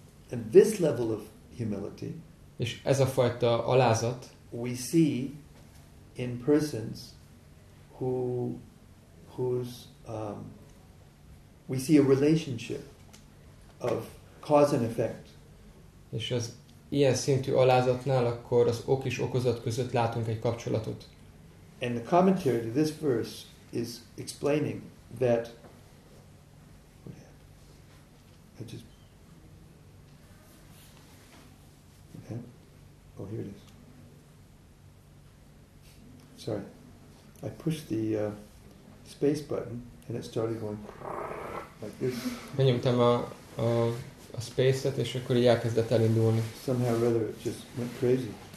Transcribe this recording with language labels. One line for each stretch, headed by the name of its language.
English: And this level of humility,
Hungarian: és ez a fajta alázat,
English: we see in persons whose we see a relationship of cause and effect.
Hungarian: És az ilyen szintű alázatnál akkor az ok és okozat között látunk egy kapcsolatot.
English: And the commentary to this verse is explaining that here it is. Sorry. I pushed the space button and it started going like this.
Hungarian: Benyomtam a space-et és akkor így elkezdett elindulni.
English: Somehow or other it just went crazy.